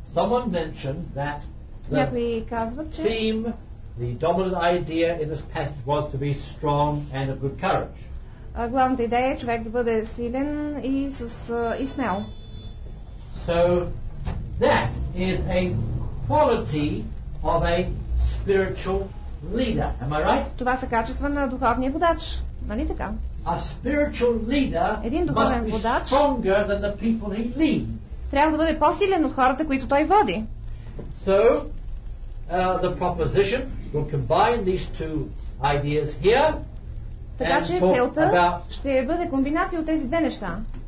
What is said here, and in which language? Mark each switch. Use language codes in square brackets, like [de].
[en] Someone mentioned that the theme, the dominant idea in this passage was to be strong and of good courage. [bg] Главната идея е човек да бъде силен и с и смел. [en] So that is a quality of a spiritual leader. Am I right? [bg] Това са качества на духовния водач, нали така? [en] A spiritual leader [bg] един духовен водач [en] stronger than the people he leads. [bg] Трябва да бъде по-силен от хората, които той води. [en] So, the proposition will combine these two ideas here. [bg] Така че целта ще бъде комбинация от тези две неща.